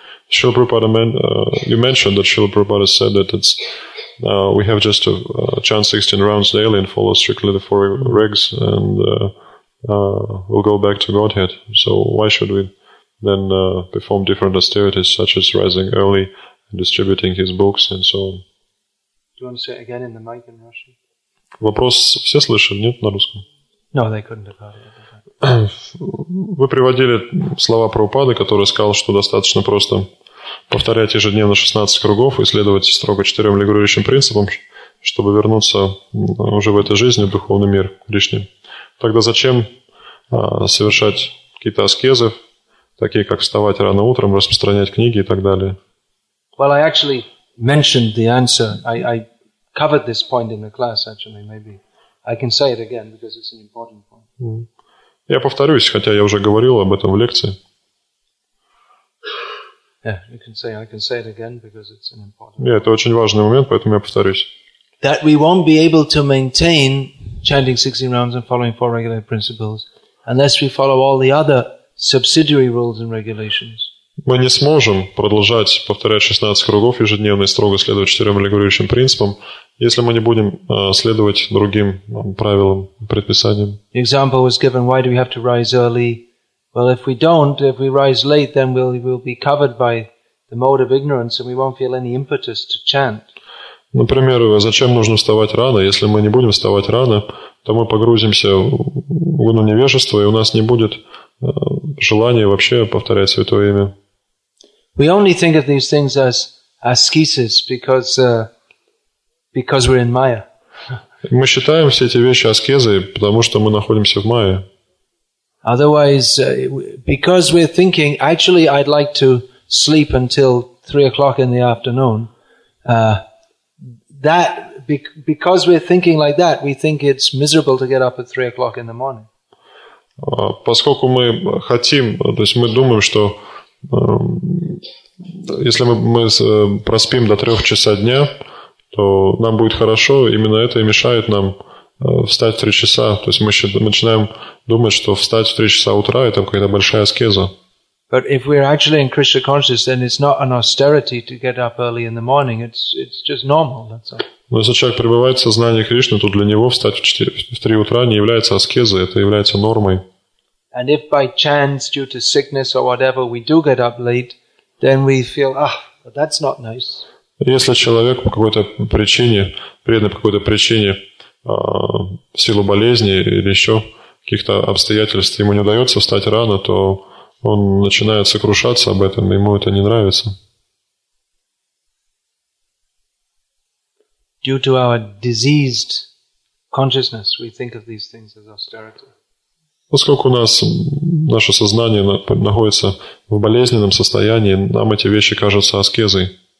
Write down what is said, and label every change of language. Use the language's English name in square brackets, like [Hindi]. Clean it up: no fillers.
[English] Srila Prabhupada, you mentioned that Srila Prabhupada said that it's we have just to chant 16 rounds daily and follow strictly the four regs, and we'll go back to Godhead. So why should we then perform different austerities, such as rising early and distributing his books and so on? Do you want to say it again in the mic in Russian? [Russian] Вопрос все слышали, нет, на русском? [English] No, they couldn't have heard it. [Russian] Вы приводили слова Прабхупады, который сказал, что достаточно просто повторять ежедневно 16 кругов и следовать строго четырем регулирующим принципам, чтобы вернуться уже в этой жизни, в духовный мир Кришне. Тогда зачем совершать какие-то аскезы, такие как вставать рано утром, распространять книги и так далее? [English] Well, I actually mentioned the answer. I covered this point in the class, actually. Maybe I can say it again, because it's an important point. [Russian] Я повторюсь, хотя я уже говорил об этом в лекции. [English] Yeah, you can say, I can say it again, because it's an important. Yeah, [Russian] это очень важный момент, поэтому я повторюсь. [English] That we won't be able to maintain chanting 16 rounds and following four regular principles unless we follow all the other subsidiary rules and regulations. [Russian] Мы не сможем продолжать повторять 16 кругов ежедневно и строго следовать четырем регулирующим принципам, если мы не будем следовать другим правилам, предписаниям. [English] Example was given, why do we have to rise early? Well, if we don't, if we rise late, then we'll be covered by the mode of ignorance and we won't feel any impetus to chant. [Russian] Например, зачем нужно вставать рано? Если мы не будем вставать рано, то мы погрузимся в гуну невежества, и у нас не будет желание вообще повторять Святое Имя. [English] We only think of these things as askesis because we're in Maya. [Russian] Мы считаем все эти вещи аскезой, потому что мы находимся в Майе. [English] Otherwise, because we're thinking, actually, I'd like to sleep until 3 o'clock in the afternoon. That because we're thinking like that, we think it's miserable to get up at 3 o'clock in the morning. [Russian] Поскольку мы хотим, то есть мы думаем, что если мы проспим до 3 часа дня, то нам будет хорошо, именно это и мешает нам встать в 3 часа. То есть мы начинаем думать, что встать в 3 часа утра – это какая-то большая аскеза. [English] But if we're actually in Krishna consciousness, then it's not an austerity to get up early in the morning. It's just normal. That's all. [Russian] Но если человек пребывает в сознании Кришны, то для него встать в 3 утра не является аскезой, это является нормой. [English] And if by chance, due to sickness or whatever, we do get up late, then we feel, that's not nice. [Russian] Если человек по какой-то причине, преданный по какой-то причине, в силу болезни или еще каких-то обстоятельств, ему не удается встать рано, то он начинает сокрушаться об этом, ему это не нравится. [English] Due to our diseased consciousness, we think of these things as austerity. [Russian] Поскольку у нас наше сознание находится в болезненном состоянии, нам эти вещи кажутся аскезой.